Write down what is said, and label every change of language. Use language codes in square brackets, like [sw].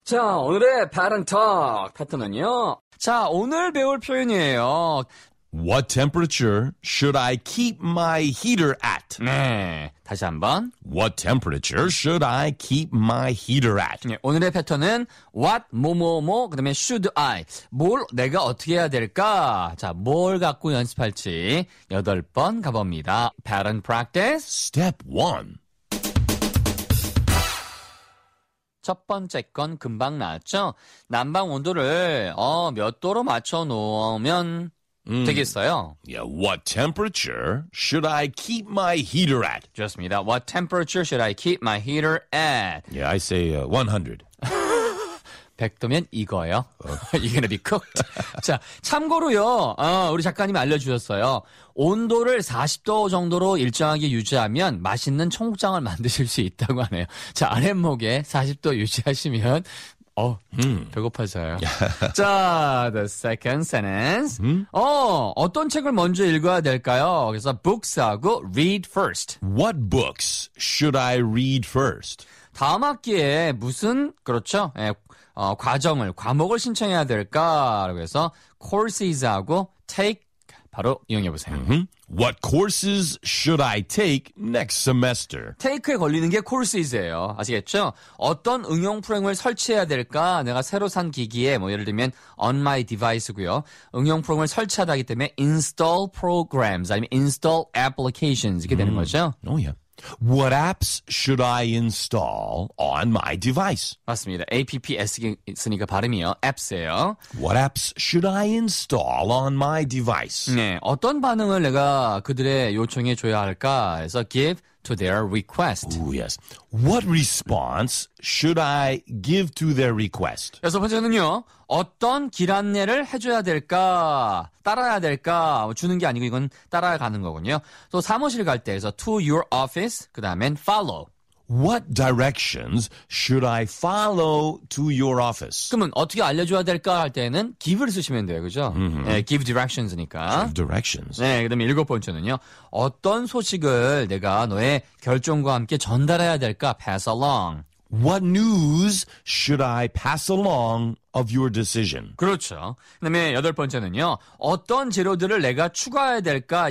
[ko] 자, 오늘의 Pattern Talk 패턴은요. 자, 오늘 배울 표현이에요. [en] What temperature should I keep my heater at? [ko] 네, 다시 한번. [en] What temperature should I keep my heater at? [ko] 네, 오늘의 패턴은 what, 뭐뭐뭐, 그 다음에 should I, 뭘 내가 어떻게 해야 될까? 자, 뭘 갖고 연습할지 8번 가봅니다. [en] Pattern Practice Step 1. [ko] 첫 번째 건 금방 나왔죠? 난방 온도를 몇 도로 맞춰 놓으면 되겠어요? [en] Yeah, what temperature should I keep my heater at? [ko] 좋습니다. [en] What temperature should I keep my heater at? Yeah, I say 100. [ko] 100도면 익어요. [en] You're gonna be cooked. [ko] 자, 참고로요, 우리 작가님 알려주셨어요. 온도를 40도 정도로 일정하게 유지하면 맛있는 청국장을 만드실 수 있다고 하네요. 자, 아랫목에 40도 유지하시면, 배고파져요. [en] 자, the second sentence. [ko] 어떤 책을 먼저 읽어야 될까요? 그래서 books하고 [en] read first. What books should I read first? [ko] 다음 학기에 무슨, 그렇죠? 예, 과정을, 과목을 신청해야 될까? 그래서 courses하고 take 바로 이용해보세요. Mm-hmm. [en] What courses should I take next semester? [ko] Take에 걸리는 게 courses예요. 아시겠죠? 어떤 응용 프로그램을 설치해야 될까? 내가 새로 산 기기에, 뭐 예를 들면 [en] on my device [ko] 고요. 응용 프로그램을 설치하다 하기 때문에 install programs, 아니면 install applications 이렇게 되는 거죠. [en] Oh, yeah. What apps should I install on my device? [ko] 맞습니다. apps이니까 발음이요. apps예요. What apps should I install on my device? 네, 어떤 반응을 내가 그들의 요청에 줘야 할까? [en] 해서 give to their request. Oh, yes. What response should I give to their request? [ko] 여섯 번째는요. 어떤 길 안내를 해줘야 될까? 따라야 될까? 주는 게 아니고 이건 따라가는 거군요. 또 사무실 갈 때에서 [en] to your office, [ko] 그 다음엔 follow. [en] What directions should I follow to your office? [ko] 그러면 어떻게 알려줘야 될까 할 때는 give를 쓰시면 돼요, 그죠? Mm-hmm. 네, give directions니까. [en] Give directions. [ko] 네, 그 다음에 일곱 번째는요. 어떤 소식을 내가 너의 결정과 함께 전달해야 될까? [en] Pass along. What news should I pass along of your decision? [ko] 그렇죠. 그 다음에 여덟 번째는요. 어떤 재료들을 내가 추가해야 될까?